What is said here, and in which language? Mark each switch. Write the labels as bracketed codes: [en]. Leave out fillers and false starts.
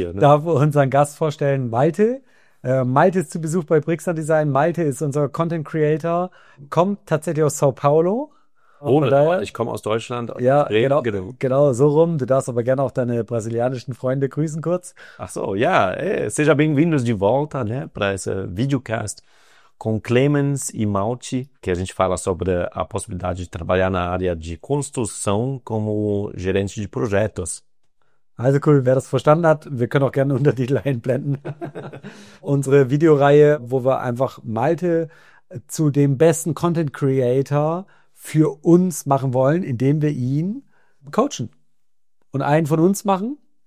[de] hier, ne? darf unseren Gast vorstellen, Malte. Malte ist zu Besuch bei Brixner Design. Malte ist unser Content Creator, kommt tatsächlich aus São Paulo. Von Ohne, daher, ich komme aus Deutschland, ja, genau. genau so rum. Du darfst aber gerne auch deine brasilianischen Freunde grüßen kurz. [pt] Ach so, ja, seja bem-vindos de volta, né, para esse videocast com Clemens e Malte, que a gente fala sobre a possibilidade de trabalhar na área de construção como gerente de projetos. [de] Also cool, wer das verstanden hat, wir können auch gerne Untertitel einblenden. Unsere Videoreihe, wo wir einfach Malte zu dem besten Content Creator für uns machen wollen, indem wir ihn coachen und einen von uns machen.